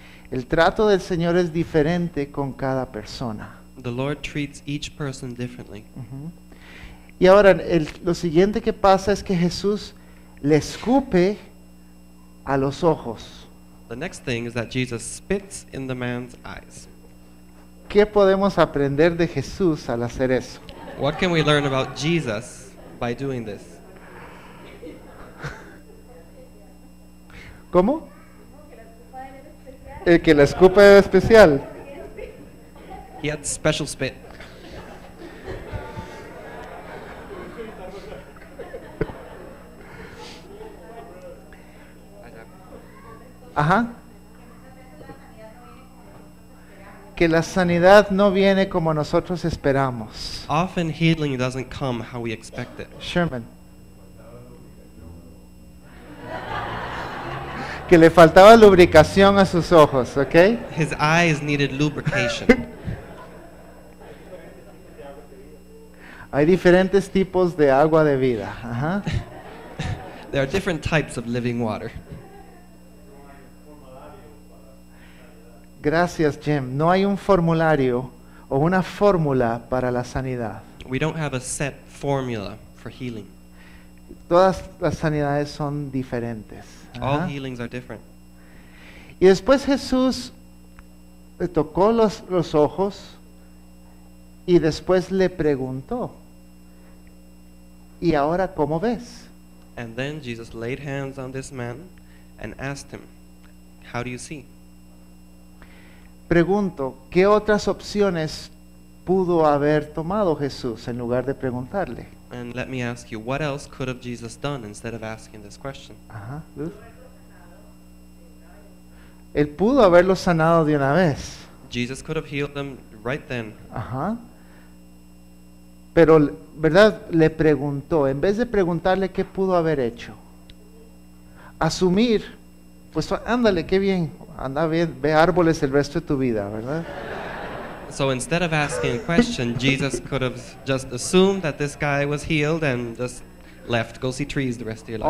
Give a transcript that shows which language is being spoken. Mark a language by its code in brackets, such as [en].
[es] El trato del Señor es diferente con cada persona. [en] The Lord treats each person differently. [es] Uh-huh. Y ahora, lo siguiente que pasa es que Jesús le escupe a los ojos. [en] The next thing is that Jesus spits in the man's eyes. [es] ¿Qué podemos aprender de Jesús al hacer eso? [en] What can we learn about Jesus by doing this? [es] ¿Cómo? El que la escupa era especial. [en] He had special spit. Ajá. [es] Que la sanidad no viene como nosotros esperamos. [en] Often healing doesn't come how we expect it. Sherman. [es] Que le faltaba lubricación a sus ojos, ¿ok? [en] His eyes needed lubrication. [es] Hay diferentes tipos de agua de vida. Ajá. [en] There are different types of living water. [es] Gracias, Jim. No hay un formulario o una fórmula para la sanidad. [en] We don't have a set formula for healing. [es] Todas las sanidades son diferentes. [en] All uh-huh. healings are different. [es] Y después Jesús le tocó los ojos y después le preguntó, ¿y ahora cómo ves? [en] And then Jesus laid hands on this man and asked him, how do you see? [es] Pregunto, ¿qué otras opciones pudo haber tomado Jesús en lugar de preguntarle? [en] And let me ask you, what else could have Jesus done instead of asking this question? Ajá, Luz. [es] Él pudo haberlo sanado de una vez. [en] Jesus could have healed them right then. [es] Ajá. Pero, ¿verdad? Le preguntó, en vez de preguntarle qué pudo haber hecho. Asumir, pues ándale, qué bien, anda bien, ve árboles el resto de tu vida, ¿verdad? [en] So instead of asking a question, Jesus could have just assumed that this guy was healed and just left. Go see trees the rest of your life.